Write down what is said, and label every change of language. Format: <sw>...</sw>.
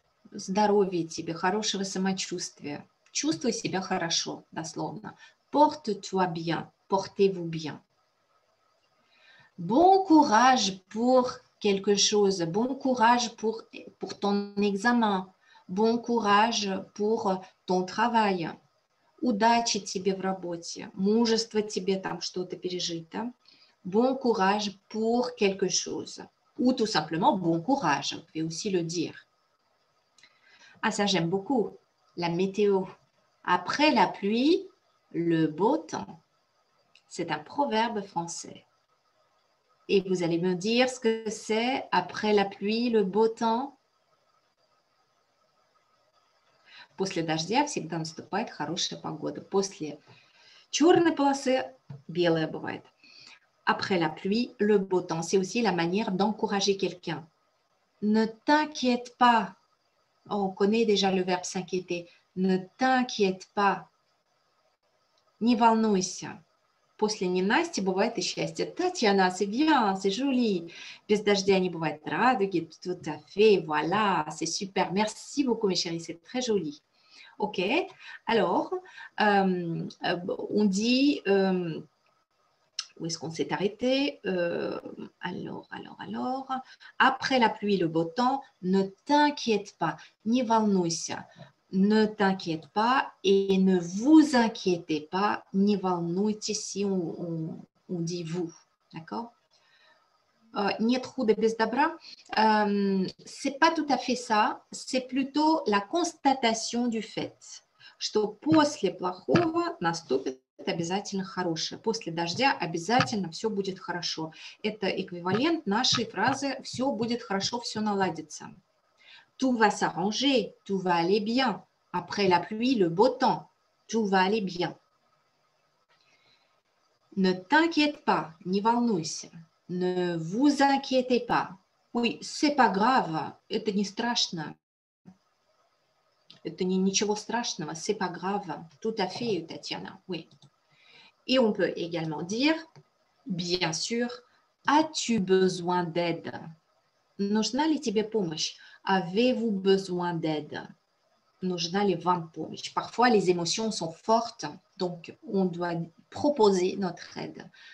<ru>Здоровье тебе, хорошего самочувствия. Чувствуй себя хорошо, дословно.</ru> <fr>Porte-toi bien. Portez-vous bien. Bon courage pour quelque chose. Bon courage pour ton examen. Bon courage pour ton travail.</fr> <ru>Удачи тебе в работе. Мужество тебе там что-то пережить.</ru> <fr>Bon courage pour quelque chose. Ou tout simplement, bon courage. Vous pouvez aussi le dire. Ah, ça, j'aime beaucoup. La météo. Après la pluie, le beau temps. C'est un proverbe français. Et vous allez me dire ce que c'est après la pluie, le beau temps.</fr> <ru>После дождя всегда наступает хорошая погода. После черной полосы белая бывает.</ru> <fr>Après la pluie, le beau temps. C'est aussi la manière d'encourager quelqu'un. Ne t'inquiète pas. On connaît déjà le verbe s'inquiéter. Ne t'inquiète pas.</fr> <ru>Не волнуйся. После ненасти бывает и счастье.</ru> <fr>Татьяна, c'est bien, c'est joli.</fr> <ru>Без дождя не бывает радуги.</ru> <fr>Tout à fait, voilà, c'est super. Merci beaucoup, mes chéris, c'est très joli. Ok, alors, on dit... où est-ce qu'on s'est arrêté? Alors... Après la pluie, le beau temps, ne t'inquiète pas.</fr> <ru>Не волнуйся.</ru> <fr>Ne t'inquiète pas et ne vous inquiétez pas.</fr> <ru>Не волнуйтесь,</ru> <fr>si on dit vous. D'accord?</fr> <ru>Нет худа без добра.</ru> <fr>C'est pas tout à fait ça. C'est plutôt la constatation du fait.</fr> <ru>Что после плохого наступит обязательно хорошее. После дождя обязательно все будет хорошо. Это эквивалент нашей фразы «все будет хорошо, все наладится».</ru> <fr>Tout va s'arranger, tout va aller bien. Après la pluie, le beau temps, tout va aller bien. Ne t'inquiète pas,</fr> <ru>не волнуйся.</ru> <fr>Ne vous inquiétez pas. Oui, c'est pas grave,</fr> <ru>это не страшно. Это не ничего страшного,</ru> <fr>c'est pas grave. Tout à fait, Татьяна, oui. Et on peut également dire, bien sûr, as-tu besoin d'aide?</fr> <ru>Нужна ли тебе помощь?</ru> <fr>Avez-vous besoin d'aide?</fr> <ru>Нужна ли вам помощь?</ru> <fr>Parfois, les émotions sont fortes, donc on doit proposer notre aide.</fr>